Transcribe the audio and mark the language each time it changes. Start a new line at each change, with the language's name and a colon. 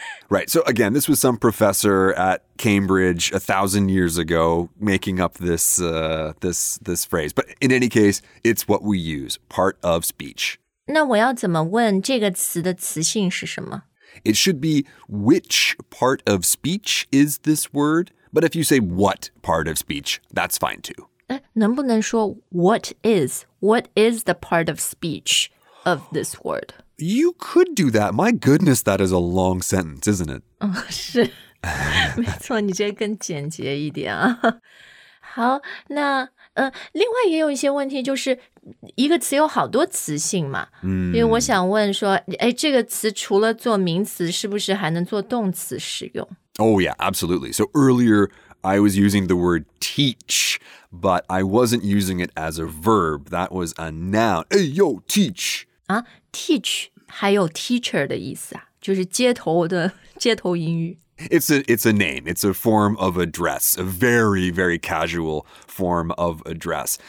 English: Right, so again, this was some professor at Cambridge 1,000 years ago making up this phrase. But in any case, it's what we use, part of speech.
Chinese: 那我要怎么问这个词的词性是什么？
English: It should be which part of speech is this word? But if you say what part of speech, that's fine too.
Chinese: 能不能说
English: what is? What is the part of speech of this word? You could do that. My goodness, that is a long sentence, isn't it?
Chinese: 是。没错，你这更简洁一点啊。好，那另外也有一些问题，就是一个词有好多词性嘛。因为我想问说，这个词除了做名词，是不是还能做动词使用？
English: Oh, yeah, absolutely. So earlier, I was using the word teach, but I wasn't using it as a verb. That was a noun. Hey, yo, teach.
Chinese: Teach, 还有 teacher 的意思啊，就是街头英语。
English: It's a name. It's a form of address, a very, very casual form of address.